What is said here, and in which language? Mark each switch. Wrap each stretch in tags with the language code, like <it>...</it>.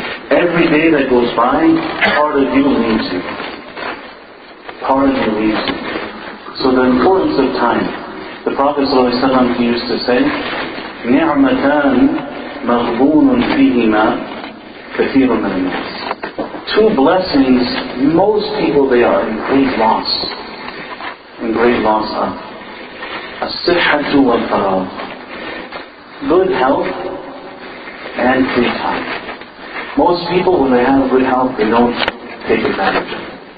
<en>Every day that goes by, part of you leaves you. Part of you leaves you. So the importance of time. The Prophet ﷺ used to say,</en> <ar>نعمتان مغبون فيهما كثير من الناس.</ar> <en>Two blessings most people they are in great loss. In great loss of.</en> <ar>الصحة والفراغ.</ar> <en>Good health and free time. Most people when they have good health they don't take advantage of it.</en>